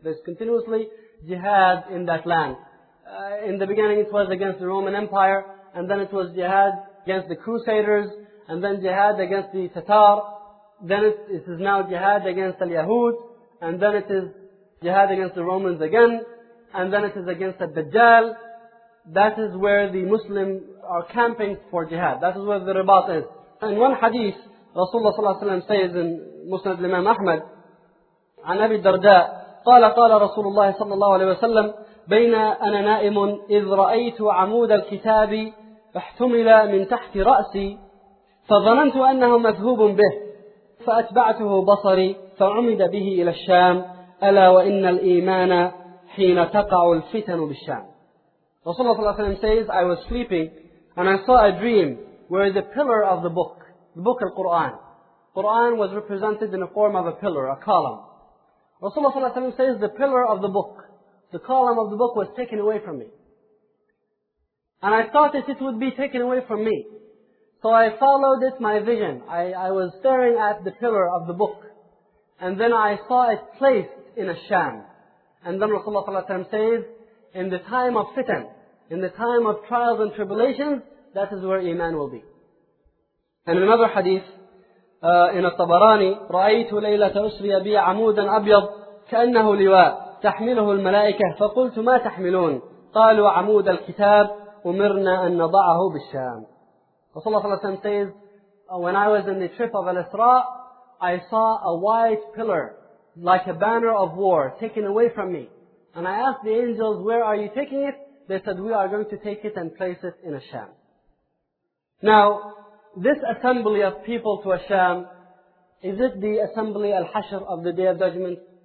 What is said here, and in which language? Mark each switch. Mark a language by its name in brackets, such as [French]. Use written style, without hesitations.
[English] There's continuously jihad in that land. In the beginning it was against the Roman Empire, and then it was jihad against the Crusaders, and then jihad against the Tatar, then it is now jihad against the Yahud, and then it is jihad against the Romans again, and then it is against the Dajjal. That is where the Muslims are camping for jihad. That is where the Ribat is. [Arabic] And one hadith, Rasulullah sallallahu alayhi wa sallam says in Musnad Imam Ahmad, عن أبي الدرداء, قال رسول الله صلى الله عليه وسلم بين أنا نائم إذ رأيت عمود الكتاب احتمل من تحت رأسي فظننت أنه مذهوب به فأتبعته بصري فعمد به إلى الشام ألا وإن الإيمان حين تقع الفتن بالشام. [English] رسول الله صلى الله عليه وسلم says, I was sleeping and I saw a dream where the pillar of the book al-Quran, Quran was represented in the form of a pillar, a column. Rasulullah sallallahu alayhi wa sallam says, the pillar of the book, the column of the book was taken away from me. And I thought that it would be taken away from me. So I followed it, my vision. I was staring at the pillar of the book. And then I saw it placed in a sham. And then Rasulullah sallallahu alayhi wa sallam says, in the time of fitan, in the time of trials and tribulations, that is where iman will be. [Arabic] And another hadith, in الطبراني رأيت ليلة أسري بي عمودا أبيض كأنه لواء تحمله الملائكة فقلت ما تحملون قالوا عمود الكتاب أمرنا أن نضعه بالشام. [English] رسول الله صلى الله عليه وسلم says, when I was in the trip of Al-Isra, I saw a white pillar like a banner of war taken away from me, and I asked the angels, where are you taking it? They said, we are going to take it and place it in Al-Sham. Now this assembly of people to Al-Sham, is it the assembly Al-Hashr of the Day of Judgment?